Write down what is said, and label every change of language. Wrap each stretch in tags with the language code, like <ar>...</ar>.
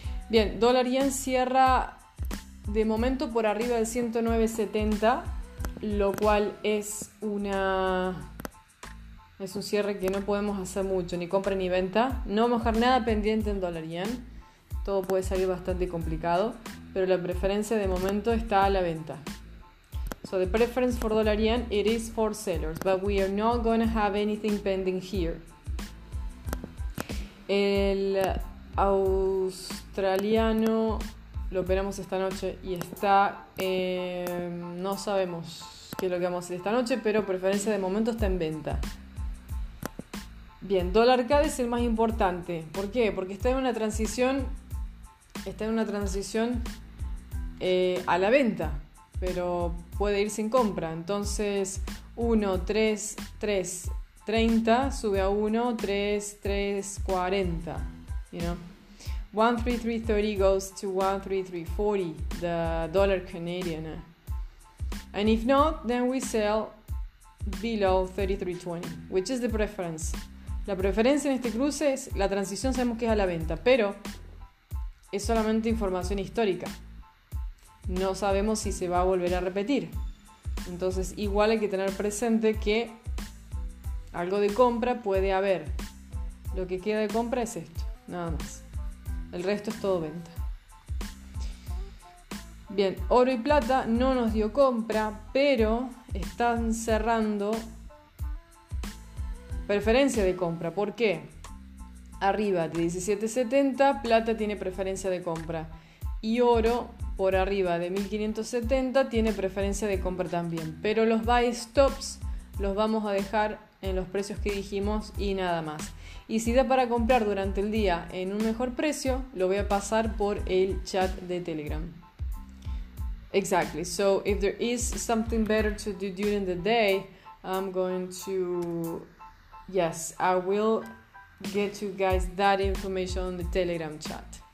<es>Bien, dólar yen cierra de momento por arriba del 109.70, lo cual es una... Es un cierre que no podemos hacer mucho, ni compra ni venta. No vamos a dejar nada pendiente en dólar yen. Todo puede salir bastante complicado. Pero la preferencia de momento está a la venta.</es> <en>So the preference for dólar yen, it is for sellers. But we are not going to have anything pending here.</en> <es>El australiano lo operamos esta noche y está... no sabemos qué es lo que vamos a hacer esta noche, pero preferencia de momento está en venta. Bien, dólar CAD es el más importante. ¿Por qué? Porque está en una transición. Está en una transición a la venta. Pero puede ir sin compra. Entonces, 1, 3, 3, 30. Sube a 1, 3, 3, 40.</es> <en>You know? 1, 3, 3, 30 goes to 1, 3, 3, 40. The dollar Canadian. And if not, then we sell below 33.20, which is the preference.</en> <es>La preferencia en este cruce es la transición, sabemos que es a la venta, pero es solamente información histórica. No sabemos si se va a volver a repetir. Entonces, igual hay que tener presente que algo de compra puede haber. Lo que queda de compra es esto, nada más. El resto es todo venta. Bien, oro y plata no nos dio compra, pero están cerrando... Preferencia de compra, ¿por qué? Arriba de 17.70, plata tiene preferencia de compra. Y oro, por arriba de 1.570, tiene preferencia de compra también. Pero los buy stops los vamos a dejar en los precios que dijimos y nada más. Y si da para comprar durante el día en un mejor precio, lo voy a pasar por el chat de Telegram.</es> <en>Exactly, so if there is something better to do during the day, I'm going to... Yes, I will get you guys that information on the Telegram chat.</en>